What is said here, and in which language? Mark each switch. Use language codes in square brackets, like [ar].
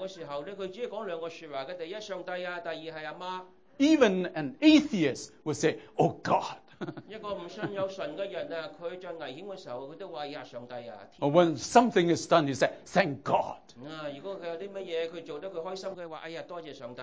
[zh] 一个人在危险的时候，在绝望的时候，他只讲两个说话，第一，上帝啊，第二，是阿妈。 [en] Even an atheist will say, oh God. [zh] 一个不信有神的人，他在危险的时候，他都说，是上帝啊，天。 [en] When something is done, he said, thank God. [zh] 如果他有什么事，他做得他开心，他说，哎呀，多谢上帝。